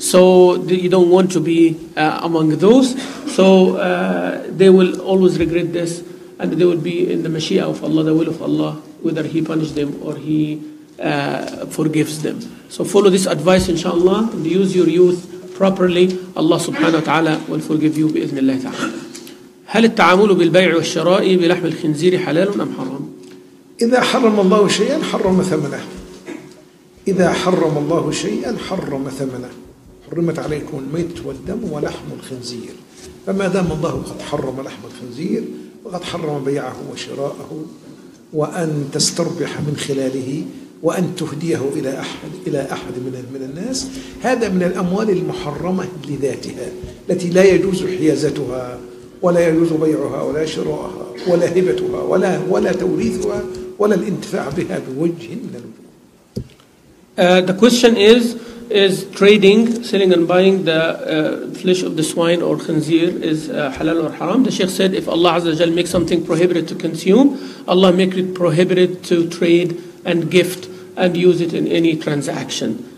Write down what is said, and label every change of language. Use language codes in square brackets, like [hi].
[en] So you don't want to be among those. So they will always regret this and they will be in the Mashiach of Allah, the will of Allah, whether He punishes them or He forgives them. So follow this advice inshallah and use your youth properly. Allah subhanahu wa ta'ala will forgive you bi'ithnillah ta'ala. [ar] هل التعامل بالبيع والشراء بلحم الخنزير حلال أم حرام؟ إذا حرم الله شيئا حرم ثمنه. إذا حرم الله شيئا حرم ثمنه. حرمت عليكم الميتة والدم ولحم الخنزير. فما دام الله قد حرم لحم الخنزير وقد حرم بيعه وشراءه وأن تستربح من خلاله وأن تهديه إلى أحد من الناس، هذا من الأموال المحرمة لذاتها التي لا يجوز حيازتها ولا يجوز بيعها ولا شراءها ولا هبتها ولا توريثها ولا الانتفاع بها بوجه من الوجوه. [en] The question is trading, selling and buying the flesh of the swine or khinzir is halal or haram? The Sheikh said if Allah Azza wa Jal makes something prohibited to consume, Allah make it prohibited to trade and gift and use it in any transaction.